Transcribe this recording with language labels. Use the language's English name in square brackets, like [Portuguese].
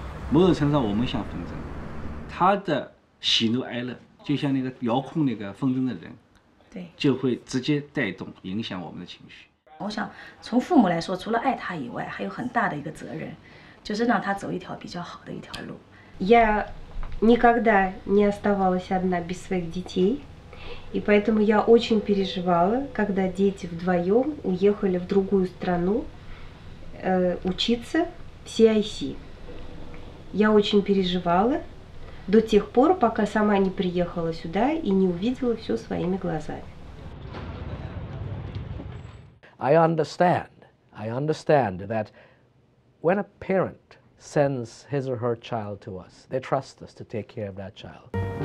[Chinese] 某种程度上我们像风筝，他的喜怒哀乐就像那个遥控那个风筝的人，对，就会直接带动影响我们的情绪。我想从父母来说，除了爱他以外，还有很大的一个责任，就是让他走一条比较好的一条路。 [Russian] Никогда не оставалась одна без своих детей, и поэтому я очень переживала, когда дети вдвоем уехали в другую страну учиться в CIC. Я очень переживала до тех пор, пока сама не приехала сюда и не увидела все своими глазами. [English] I understand that when a parent sends his or her child to us. They trust us to take care of that child.